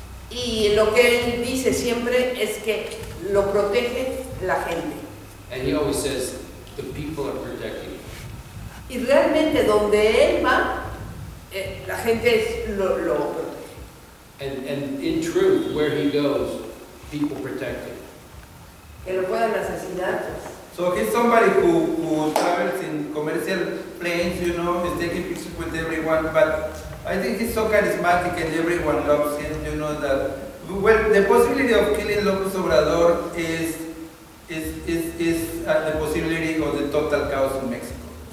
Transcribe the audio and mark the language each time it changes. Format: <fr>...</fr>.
<es>Y lo que él dice siempre es que lo protege la gente.</es> <en>And he always says, the people are protecting.</en> <es>Y realmente donde él va, la gente es lo protege.</es> <en>And in truth, where he goes, people protect him.</en> <es>Que lo puedan asesinar.</es> <en>So he's somebody who travels in commercial planes, you know, he's taking pictures with everyone, but I think he's so charismatic and everyone loves him, you know, that, well, the possibility of killing López Obrador is the possibility of the total chaos in Mexico.</en>